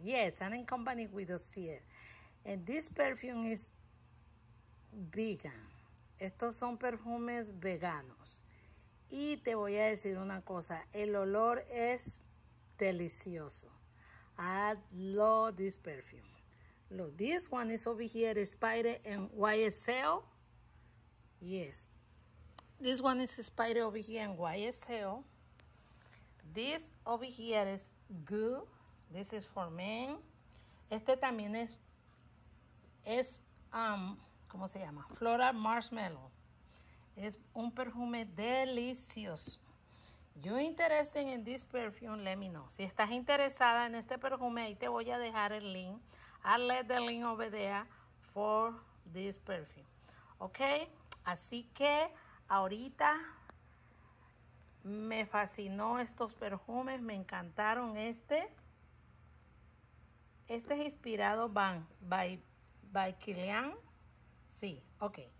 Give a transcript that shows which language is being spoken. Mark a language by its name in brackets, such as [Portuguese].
[English] Yes, I'm in company with Dossier. And this perfume is vegan. [Spanish] Estos son perfumes veganos. Y te voy a decir una cosa, el olor es delicioso. [English] I love this perfume. Look, this one is over here, Spider and YSL. Yes. This one is Spider over here and YSL. This over here is Goo. This is for men. [Spanish] Este también es, ¿cómo se llama? Floral Marshmallow. Es un perfume delicioso. [English] You interested in this perfume, let me know. [Spanish] Si estás interesada en este perfume, ahí te voy a dejar el link. [English] I'll let the link over there for this perfume. [Spanish] Ok, así que ahorita me fascinó estos perfumes. Me encantaron este. Este es inspirado by Kilian. Sí, ok.